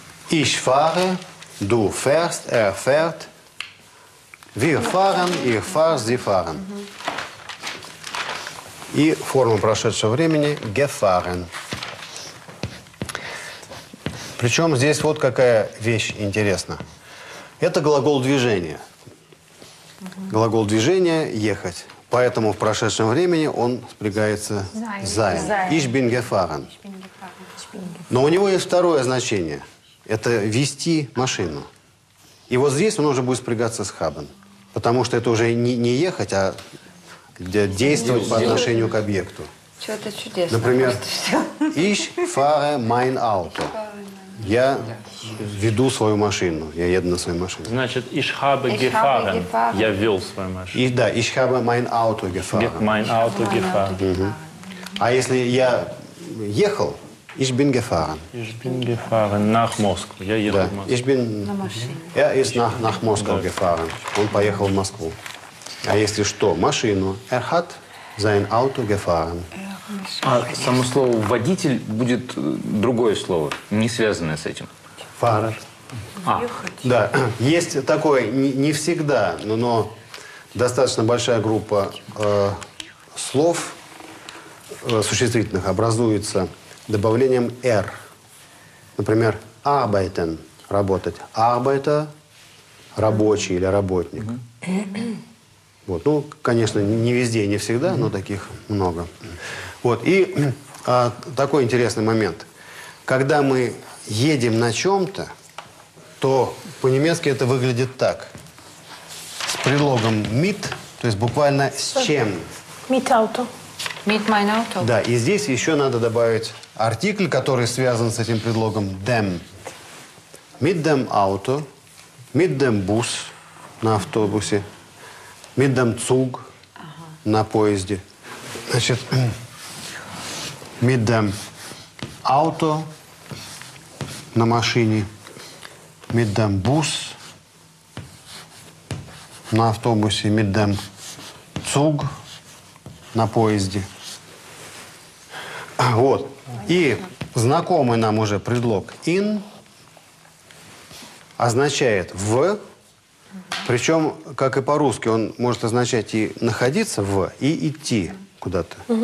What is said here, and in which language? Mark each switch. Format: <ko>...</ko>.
<de>Ich fahre, du fährst, fährt. Wir fahren, ihr fahrt, sie fahren.</de> <ru>И форма прошедшего времени gefahren. Причем здесь вот какая вещь интересна. Это глагол движения. Глагол движения ехать. Поэтому в прошедшем времени он спрягается sein.</ru> <de>Ich bin gefahren.</de> <ru>Но у него есть второе значение. Это вести машину. И вот здесь он уже будет спрягаться с haben. Потому что это уже не ехать, а действовать по отношению к объекту. Что-то чудесное.</ru> <de>Например, ich fahre mein Auto.</de> <ru>Я веду свою машину. Я еду на своей машине.</ru> <de>Значит, ich habe gefahren.</de> <ru>Я вел свою машину.</ru> <de>Да, ich habe mein Auto gefahren. Mein Auto gefahren.</de> <ru>А если я ехал,</ru> <de>ich bin gefahren. Ich bin gefahren nach Moskau.</de> <ru>Я еду в Москву.</ru> <de>Ich bin... Er ist nach Moskau gefahren.</de> <ru>Он поехал в Москву. А если что, машину.</ru> <de>Er hat sein Auto gefahren.</de> <ru>А само слово «водитель» будет другое слово, не связанное с этим.</ru> <de>Fahrer.</de> <ru>Ехать. Да, есть такое, не всегда, но достаточно большая группа слов существительных образуется добавлением «r». Например, «arbeiten» – «работать». «Arbeiter» – «рабочий» или «работник». Вот. Ну, конечно, не везде, не всегда, но таких много. Вот, и такой интересный момент. Когда мы едем на чем-то, то по-немецки это выглядит так. С предлогом mit, то есть буквально с чем.</ru> <de>Mit Auto. Mit mein Auto.</de> <ru>Да, и здесь еще надо добавить артикль, который связан с этим предлогом dem.</ru> <de>Mit dem Auto, mit dem Bus</de> <ru>на автобусе,</ru> <de>mit dem Zug</de> <ru>на поезде. Значит...</ru> <de>Mit dem Auto</de> <ru>на машине,</ru> <de>mit dem Bus</de> <ru>на автобусе,</ru> <de>mit dem Zug</de> <ru>на поезде. Вот. И знакомый нам уже предлог in означает в, причем, как и по-русски, он может означать и находиться в, и идти куда-то.</ru>